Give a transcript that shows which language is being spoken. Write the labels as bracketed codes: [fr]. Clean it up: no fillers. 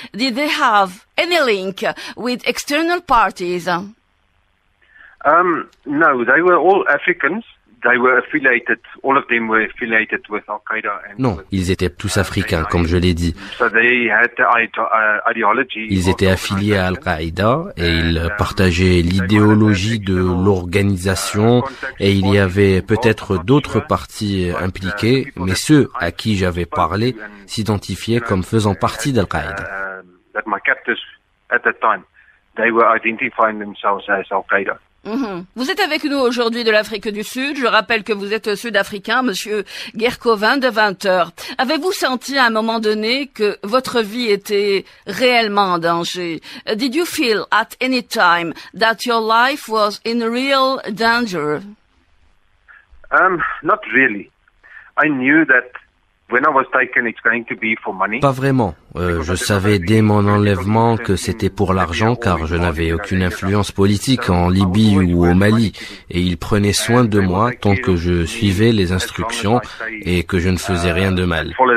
[en] Did they have any link with external parties? No, they were all Africans. They were affiliated, all of them were affiliated with Al-Qaïda. [fr] Non, ils étaient tous africains, comme je l'ai dit. Ils étaient affiliés à Al-Qaïda et ils partageaient l'idéologie de l'organisation, et il y avait peut-être d'autres partis impliqués, mais ceux à qui j'avais parlé s'identifiaient comme faisant partie d'Al-Qaïda. [en] My captors at that time, they were identifying themselves as Al-Qaïda. [fr] Vous êtes avec nous aujourd'hui de l'Afrique du Sud. Je rappelle que vous êtes sud-africain, monsieur Guercovin de 20h. Avez-vous senti à un moment donné que votre vie était réellement en danger? [en] Did you feel at any time that your life was in real danger? Not really. I knew that when I was taken, it's going to be for money. [fr] Pas vraiment. Je savais dès mon enlèvement que c'était pour l'argent, car je n'avais aucune influence politique en Libye ou au Mali, et ils prenaient soin de moi tant que je suivais les instructions et que je ne faisais rien de mal.